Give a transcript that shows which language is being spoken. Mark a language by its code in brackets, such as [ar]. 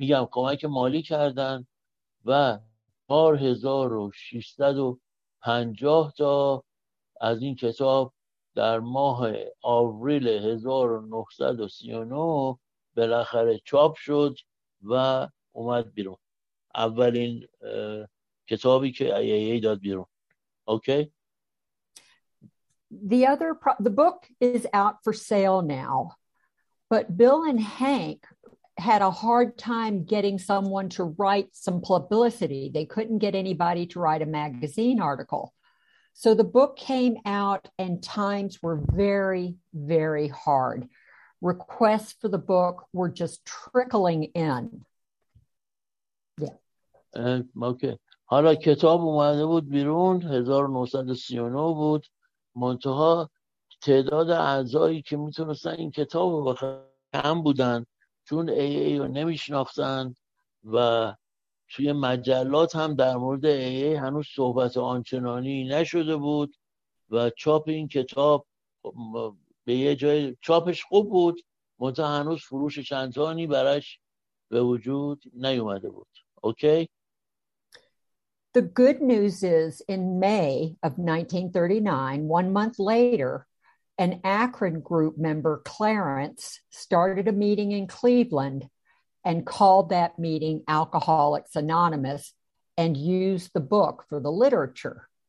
[fa] کمک مالی کردن و 4,650 تا از این کتاب در ماه آوریل 1939 بالاخره چاپ شد و اومد بیرون، اولین کتابی که ای داد بیرون. اوکی، [en] The other the book is out for sale now, but Bill and Hank had a hard time getting someone to write some publicity. They couldn't get anybody to write a magazine article, so the book came out and times were very, very hard. Requests for the book were just trickling in. Okay. [fa] حالا کتاب اومده بود بیرون 1939 بود، منتها تعداد اعضایی که میتونستن این کتاب رو کم بودن، چون ای ای رو نمیشناختن و توی مجلات هم در مورد ای ای هنوز صحبت آنچنانی نشده بود و چاپ این کتاب به یه جای چاپش خوب بود، منتها هنوز فروش چندانی براش به وجود نیومده بود. اوکی؟ [en] The good news is, in May of 1939, 1 month later, an Akron group member, Clarence, started a meeting in Cleveland and called that meeting Alcoholics Anonymous and used the book for the literature.